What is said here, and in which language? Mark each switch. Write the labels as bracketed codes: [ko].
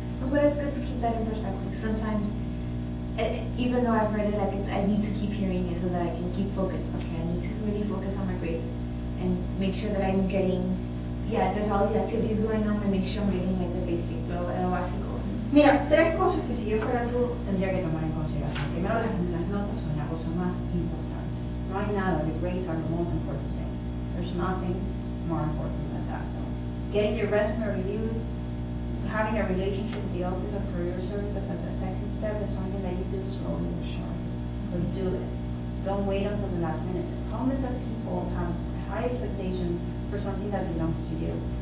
[en] But it's good to keep that in perspective. Sometimes, even though I've read it, I need to keep hearing it so that I can keep focused. Okay, I need to really focus on my grades and make sure that I'm getting, there's all these activities going on, but make sure I'm getting like the basic, [es] lo básico. Mira, tres cosas que si yo fuera tú, tendría que tomar en consideración. Primero, las notas son la cosa más importante. No hay nada, [en] the grades are the most important thing. There's nothing more important than that. So getting your resume reviewed, having a relationship with the Office of Career Services as a second step is something that you do slowly and sure. But do it. Don't wait until the last minute. The problem is that people have high expectations for something that belongs to you.